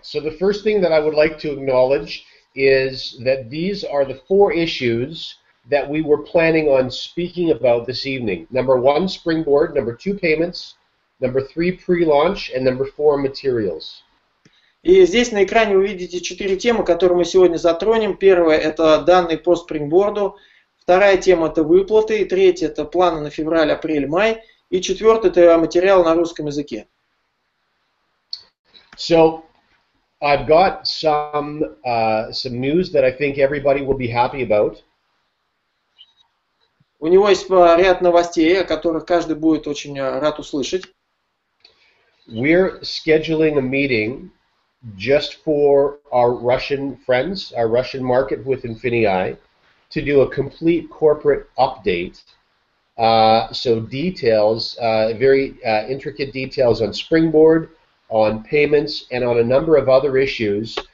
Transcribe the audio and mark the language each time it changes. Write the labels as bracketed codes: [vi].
[en] So, the first thing that I would like to acknowledge is that these are the four issues that we were planning on speaking about this evening. Number one, Springboard. Number two, payments. Number three, pre-launch, and number four, materials. [ru] И здесь на экране вы видите четыре темы, которые мы сегодня затронем. Первая – это данные по спрингборду. Вторая тема – это выплаты. И третья – это планы на февраль, апрель, май. И четвертая – это материал на русском языке. [en] So, I've got some news that I think everybody will be happy about. [ru] У него есть ряд новостей, о которых каждый будет очень рад услышать. [en] We're scheduling a meeting just for our Russian friends, our Russian market with Infinii, to do a complete corporate update. So details, very intricate details on Springboard, on payments, and on a number of other issues.